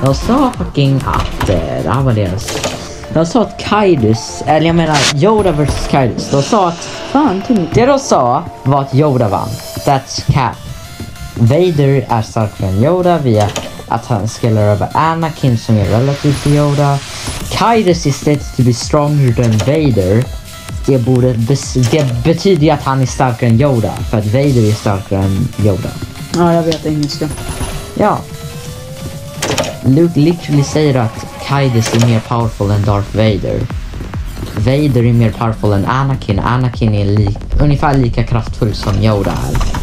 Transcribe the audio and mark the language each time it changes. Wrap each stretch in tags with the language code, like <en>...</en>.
<sv>Jag sa fucking att det här var deras. Jag sa att Caedus, eller jag menar Yoda vs Caedus. De sa att fan, tydligt. Det de sa var att Yoda vann.</sv> <en>That's cap.</en> <sv>Vader är starkare än Yoda via att han skiller över Anakin som är relativt till Yoda.</sv> <en>Caedus is said to be stronger than Vader.</en> <sv>Det betyder att han är starkare än Yoda, för att Vader är starkare än Yoda. Ja, jag vet engelska. Ja. Luke literally säger att Caedus är mer powerful än Darth Vader. Vader är mer powerful än Anakin. Anakin är ungefär lika kraftfull som Yoda är.</sv>